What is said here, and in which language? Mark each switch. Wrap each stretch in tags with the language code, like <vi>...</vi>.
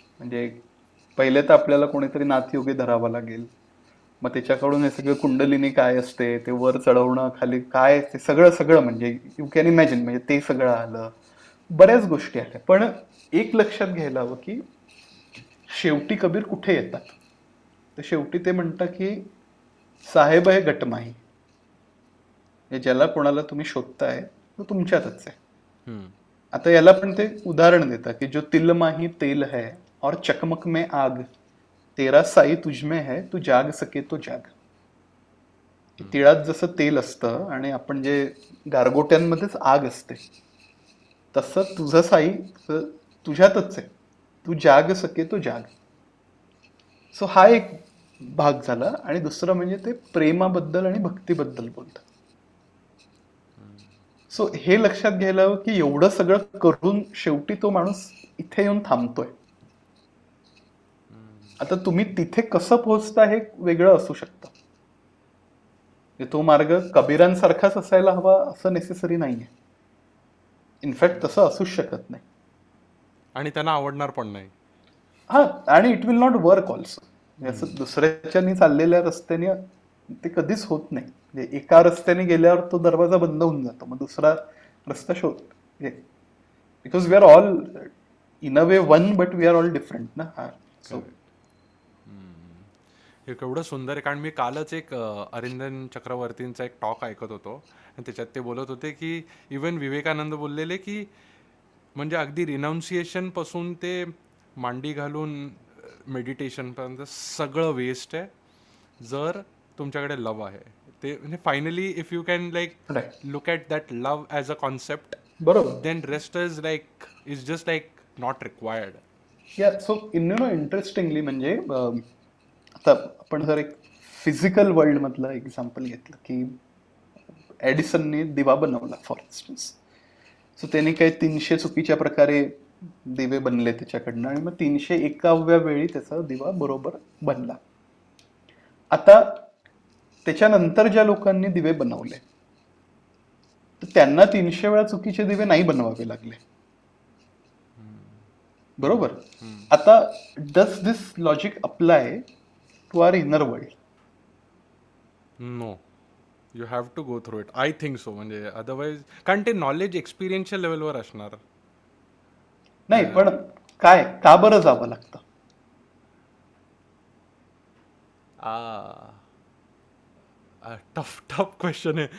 <mr>म्हणजे पहिले तर आपल्याला कोणीतरी नाथयोगी धरावा लागेल, मग त्याच्याकडून हे सगळं कुंडलिनी काय असते ते वर चढवणं खाली काय ते सगळं सगळं म्हणजे</mr> <en>you can imagine,</en> <mr>म्हणजे ते सगळं आलं, बऱ्याच गोष्टी आल्या. पण एक लक्षात घ्यायला हवं की शेवटी कबीर कुठे येतात, तर शेवटी ते म्हणतात की साहेब हे गटमाही, हे ज्याला कोणाला तुम्ही शोधताय तो तुमच्यातच आहे. आता याला पण ते उदाहरण देतात की</mr> <hi>जो तिल माही तेल है और चकमक में आग, तेरा साई तुझ में है तू जाग सके तो जाग.</hi> <mr>तिळात जसं तेल असतं आणि आपण जे गारगोट्यांमध्येच आग असते, तसं तुझं साई तुझ्यातच आहे,</mr> <hi>तू जाग सके तो जाग.</hi> <mr>सो हा एक भाग झाला. आणि दुसरं म्हणजे ते प्रेमाबद्दल आणि भक्तीबद्दल बोलतात. सो हे लक्षात घ्यायला हवं की एवढं सगळं करून शेवटी तो माणूस इथे येऊन थांबतोय. आता तुम्ही तिथे कसं पोहोचता हे वेगळं असू शकतं, तो मार्ग कबीरांसारखाच असायला हवा असं नेसेसरी नाही आहे. इनफॅक्ट तसं असूच शकत नाही. आणि त्यांना आवडणार पण नाही. हां आणि</mr> <en>It will not work also.</en> <mr>असं दुसऱ्याच्यानी चाललेल्या रस्त्याने ते कधीच होत नाही. म्हणजे एका रस्त्याने गेल्यावर तो दरवाजा बंद होऊन जातो, मग दुसरा रस्ता शोध.</mr> <en>Because we are all in a way one but we are all different ना. हा so correct.</en> <mr>हे केवढं सुंदर आहे, कारण मी कालच एक अरिंदन चक्रवर्तींचा एक टॉक ऐकत होतो आणि त्याच्यात ते बोलत होते की इवन विवेकानंद बोललेले की म्हणजे अगदी रिनाउन्सिएशनपासून ते मांडी घालून मेडिटेशनपर्यंत सगळं वेस्ट आहे जर तुमच्याकडे लव आहे ते.</mr> <en>म्हणजे finally if you can like look at that love as a concept</en> <mr>बरोबर.</mr> <en>Then rest is just like not required. Yeah so in you know interestingly</en> <mr>म्हणजे आता आपण जर एक फिजिकल वर्ल्ड मधला एक्झाम्पल घेतलं की एडिसनने दिवा बनवला</mr> <en>For instance.</en> <mr>सो त्याने काही 300 चुकीच्या प्रकारे दिवे बनले त्याच्याकडनं, आणि मग 301व्या वेळी त्याचा दिवा बरोबर बनला. आता त्याच्यानंतर ज्या लोकांनी दिवे बनवले तर त्यांना 300 वेळा चुकीचे दिवे नाही बनवावे लागले बरोबर.</mr> <en>आता does this logic apply to our inner world? No you have to go through it. I think so.</en> <mr>म्हणजे अदरवाईज कारण ते नॉलेज एक्सपिरियन्सच्या लेवलवर असणार. नाही पण काय का बरं जावं लागतं?</mr> <en>tough tough question</en> <mr>आहे.</mr>